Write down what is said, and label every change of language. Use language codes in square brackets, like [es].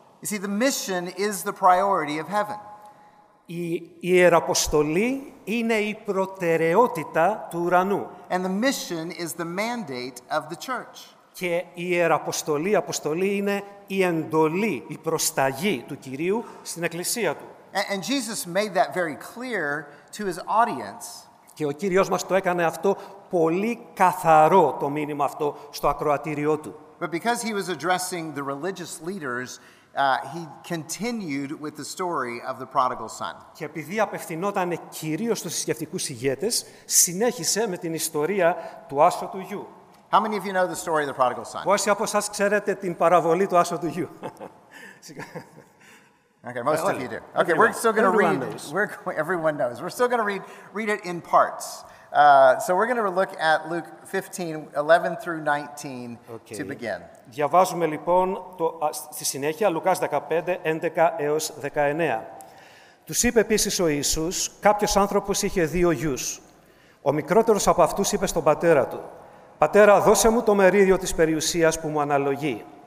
[en] You see, the mission is the priority of heaven. [el] Η ιεραποστολή είναι η προτεραιότητα του ουρανού. [en] And the mission is the mandate of the church. [el] Και η ιεραποστολή, αποστολή είναι η εντολή, η προσταγή του Κυρίου στην εκκλησία του. [en] And Jesus made that very clear to his audience. [el] Και ο Κύριος μας το έκανε αυτό πολύ καθαρό, το μήνυμα αυτό στο ακροατήριό του. [en] But because he was addressing the religious leaders, he continued with the story of the prodigal son. [el] Και επειδή απευθυνόταν κυρίως στους θρησκευτικούς ηγέτες, συνέχισε με την ιστορία του άσωτου γιου. [en] How many of you know the story of the prodigal son? [el] Πόσοι από εσάς ξέρετε την παραβολή του άσωτου γιου? [en] Okay, most of you do. Okay, we're still going to read it. Everyone knows. We're still going to read it in parts. So we're going to look at Luke 15, 11 through 19 okay. to begin. [el] Διαβάζουμε λοιπόν στη συνέχεια Λουκάς 15, 11 έως 19. Τους είπε επίσης ο Ιησούς, κάποιος άνθρωπος είχε δύο γιους. Ο μικρότερος από αυτούς είπε στον πατέρα του, «Πατέρα, δώσε μου το μερίδιο της περιουσίας που μου αναλογεί».